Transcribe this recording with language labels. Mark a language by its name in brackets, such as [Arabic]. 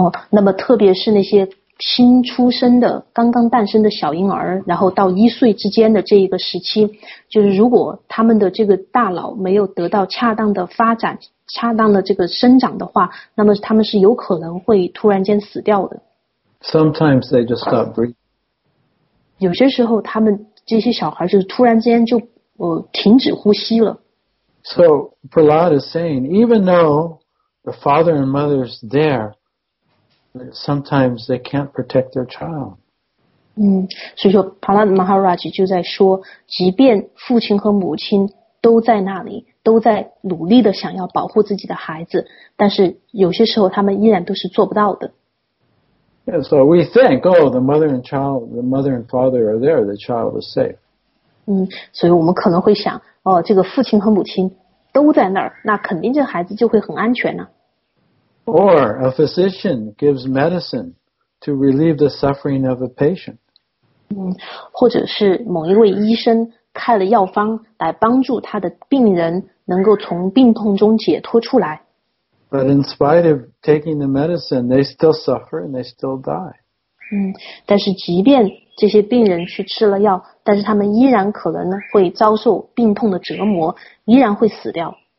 [Chinese] 那么特别是那些新出生的刚刚诞生的小婴儿，然后到一岁之间的这一个时期，就是如果他们的这个大脑没有得到恰当的发展，恰当的这个生长的话，那么他们是有可能会突然间死掉的。 [English] Sometimes they just stop breathing. [Chinese] 有些时候他们这些小孩就突然间就停止呼吸了。 [English] So Prahlad is saying, even though the father and mother is there,Sometimes they can't protect their child. [Chinese] 所以说 Prahlad Maharaj 就在说，即便父亲和母亲都在那里，都在努力的想要保护自己的孩子，但是有些时候他们依然都是做不到的。 [English] Yeah, so we think, oh, the mother and father are there, the child is safe. [Chinese] 所以我们可能会想，哦，这个父亲和母亲都在那儿，那肯定这孩子就会很安全呢。 [English] Or a physician gives medicine to relieve the suffering of a patient. [Chinese] 或者是某一位医生开了药方来帮助他的病人能够从病痛中解脱出来。 [English] But in spite of taking the medicine, they still suffer and they still die. [Chinese] 但是即便这些病人去吃了药，但是他们依然可能会遭受病痛的折磨，依然会死掉。